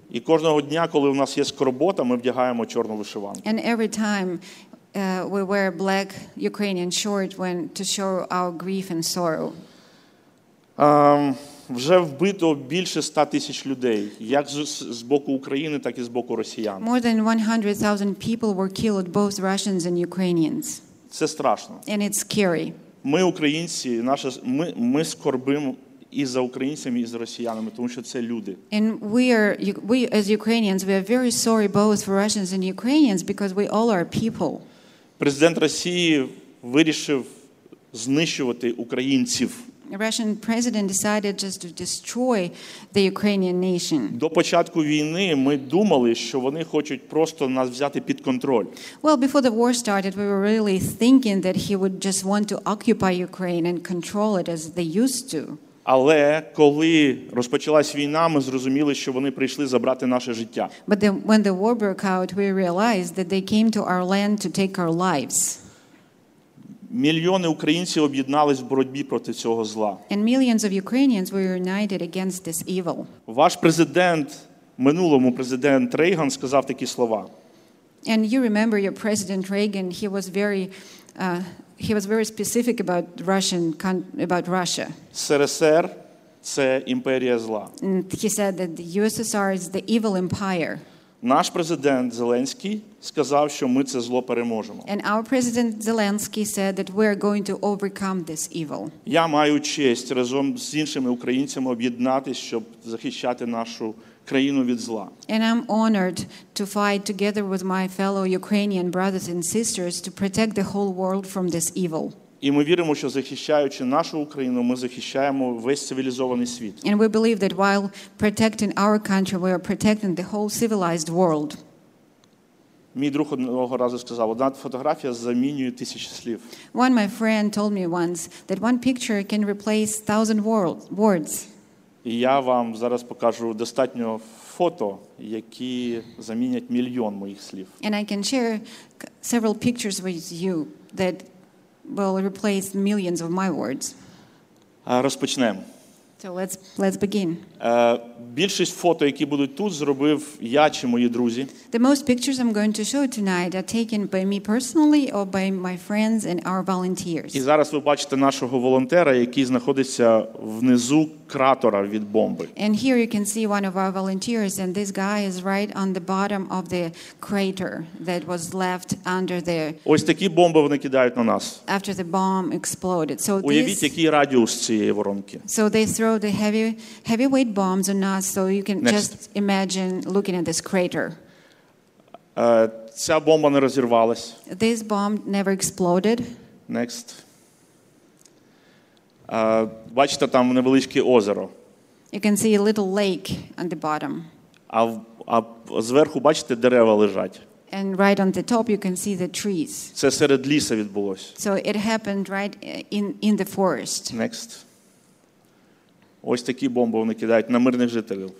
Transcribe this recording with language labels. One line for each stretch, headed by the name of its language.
Ukrainian: І кожного дня, коли у нас є скорбота, ми вдягаємо чорну вишиванку.
English: And every time we wear a black Ukrainian shirt when to show our grief and sorrow.
Ukrainian: Вже вбито більше 100 тисяч людей, як з боку України, так і з боку росіян.
English: More than 100,000 people were killed, both Russians and Ukrainians.
Ukrainian: Це страшно.
English: And it's scary.
Ukrainian: Ми українці, ми скорбимо і за українцями, і за росіянами, тому що це люди.
English: And we as Ukrainians, we are very sorry both for Russians and Ukrainians because we all are people.
Ukrainian: Президент Росії вирішив знищувати українців.
English: The Russian president decided just to destroy the Ukrainian nation.
Ukrainian: До початку війни ми думали, що вони хочуть просто нас взяти під контроль.
English: Well, before the war started, we were really thinking that he would just want to occupy Ukraine and control it as they used to.
Ukrainian: Але коли розпочалась війна, ми зрозуміли, що вони прийшли забрати наше життя.
English: But then, when the war broke out, we realized that they came to our land to take our lives.
Ukrainian: Мільйони українців об'єднались в боротьбі проти цього зла.
English: And millions of Ukrainians were united against this evil.
Ukrainian: Ваш президент, минулому президент Рейган, сказав такі слова.
English: And you remember your president Reagan, he was very specific about Russia.
Ukrainian: СРСР це імперія зла.
English: And he said that the USSR is the evil empire.
Ukrainian: Наш президент Зеленський сказав, що ми це зло переможемо.
English: And our president Zelensky said that we are going to overcome this evil.
Ukrainian: Я маю честь разом з іншими українцями об'єднатися, щоб захищати нашу країну від зла.
English: And I'm honored to fight together with my fellow Ukrainian brothers and sisters to protect the whole world from this evil.
Ukrainian: І ми віримо, що захищаючи нашу Україну, ми захищаємо весь цивілізований світ.
English: And we believe that while protecting our country, we are protecting the whole civilized world.
Ukrainian: Мій друг одного разу сказав: "Одна фотографія замінює тисячі слів".
English: One my friend told me once that one picture can replace 1,000 words.
Ukrainian: І я вам зараз покажу достатньо фото, які замінять мільйон моїх слів.
English: And I can share several pictures with you that will replace millions of my words.
Ukrainian: Розпочнемо.
English: So let's begin.
Ukrainian: Більшість фото, які будуть тут, зробив я чи мої друзі.
English: The most pictures I'm going to show tonight are taken by me personally or by my friends and our volunteers.
Ukrainian: І зараз ви бачите нашого волонтера, який знаходиться внизу кратера від бомби.
English: And here you can see one of our volunteers, and this guy is right on the bottom of the crater that was left under there.
Ukrainian: Ось такі бомби вони кидають на нас.
English: After the bomb exploded. So
Ukrainian: уявіть, який радіус цієї воронки.
English: So they throw the heavyweight bombs on us, so you can just imagine looking at this crater.
Ukrainian: Ця бомба не розірвалась.
English: This bomb never exploded. Next.
Ukrainian: Бачите, там невеличке озеро.
English: You can see a little lake on the bottom.
Ukrainian: А зверху бачите, дерева лежать.
English: And right on the top you can see the trees.
Ukrainian: Це серед лісу відбулось.
English: So it happened right in the forest. Next.
Ukrainian: Ось такі бомби вони кидають на мирних жителів.